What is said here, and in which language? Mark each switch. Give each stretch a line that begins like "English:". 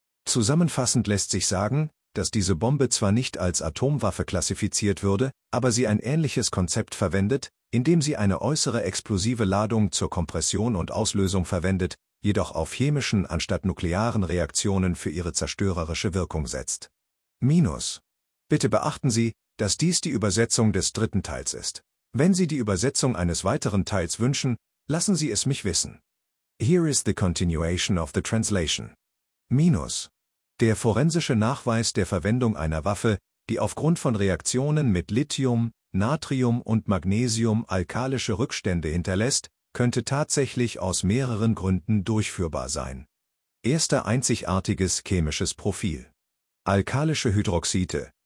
German: Zusammenfassend lässt sich sagen, dass diese Bombe zwar nicht als Atomwaffe klassifiziert würde, aber sie ein ähnliches Konzept verwendet, indem sie eine äußere explosive Ladung zur Kompression und Auslösung verwendet, jedoch auf chemischen anstatt nuklearen Reaktionen für ihre zerstörerische Wirkung setzt. Minus. Bitte beachten Sie, dass dies die Übersetzung des dritten Teils ist. Wenn Sie die Übersetzung eines weiteren Teils wünschen, lassen Sie es mich wissen.
English: Here is the continuation of the translation.
German: Minus. Der forensische Nachweis der Verwendung einer Waffe, die aufgrund von Reaktionen mit Lithium, Natrium und Magnesium alkalische Rückstände hinterlässt, könnte tatsächlich aus mehreren Gründen durchführbar sein. Erster einzigartiges chemisches Profil. Alkalische Hydroxide.